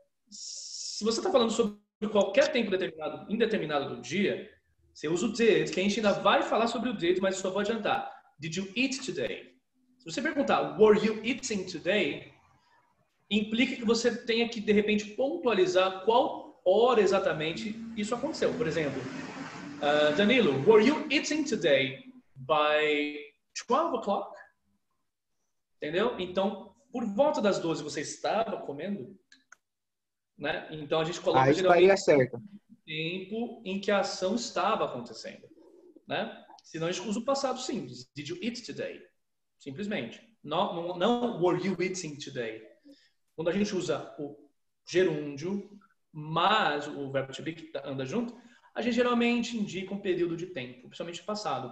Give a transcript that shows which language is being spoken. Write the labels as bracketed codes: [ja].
[pt] Se você está falando sobre qualquer tempo determinado, indeterminado do dia, você usa o did, que a gente ainda vai falar sobre o did, mas só vou adiantar. [en] Did you eat today? [pt] Se você perguntar, [en] were you eating today? [pt] Implica que você tenha que, de repente, pontualizar qual hora exatamente isso aconteceu. Por exemplo, [en] Danilo, were you eating today by 12 o'clock? [pt] Entendeu? Então, por volta das 12 você estava comendo, né? Então, a gente coloca... Aí estaria certo. Tempo em que a ação estava acontecendo, né? Senão, a gente usa o passado simples. [en] Did you eat today? [pt] Simplesmente. Não, [en] were you eating today? [pt] Quando a gente usa o gerúndio, mais o verbo to be que anda junto, a gente geralmente indica um período de tempo, principalmente passado.